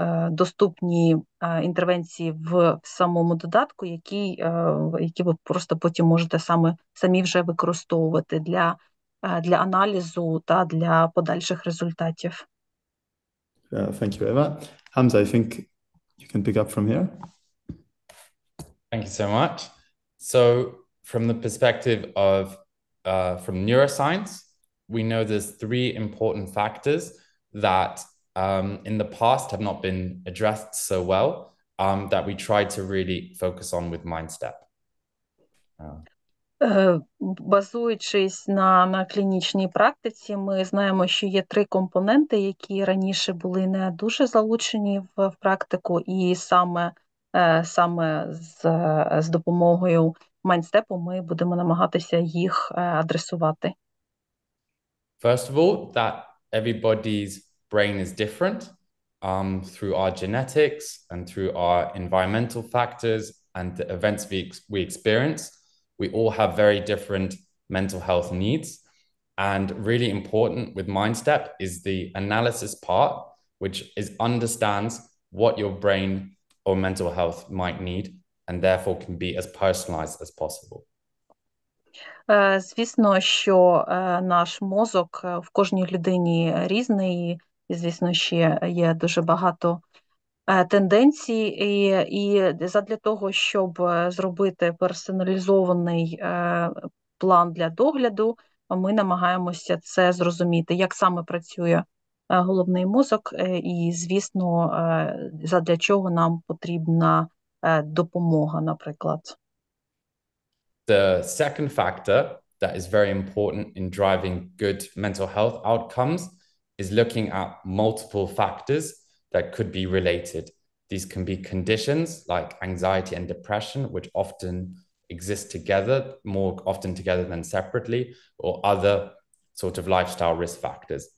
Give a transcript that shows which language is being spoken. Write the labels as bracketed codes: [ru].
[uk] доступні інтервенції в самому додатку, які ви просто потім можете самі вже використовувати для аналізу та для подальших результатів. [en] Thank you, Eva. Hamza, I think you can pick up from here. Thank you so much. So from the perspective of from neuroscience, we know there's 3 important factors that in the past have not been addressed so well, that we try to really focus on with MindStep. [uk] Базуючись на клінічній практиці, ми знаємо, що є 3 компоненти, які раніше були не дуже залучені в практику, і саме з допомогою MindStep ми будемо намагатися їх адресувати. [en] First of all, that everybody's brain is different through our genetics and through our environmental factors and the events we experience. We all have very different mental health needs. And really important with MindStep is the analysis part, which understands what your brain or mental health might need and therefore can be as personalized as possible. [uk] Звісно, що наш мозок в кожній людині різний, і, звісно, ще є дуже багато тенденцій. І задля того, щоб зробити персоналізований план для догляду, ми намагаємося це зрозуміти, як саме працює головний мозок, і, звісно, задля чого нам потрібна допомога, наприклад. [en] The second factor that is very important in driving good mental health outcomes is looking at multiple factors that could be related. These can be conditions like anxiety and depression, which often exist together, more often together than separately, or other sort of lifestyle risk factors.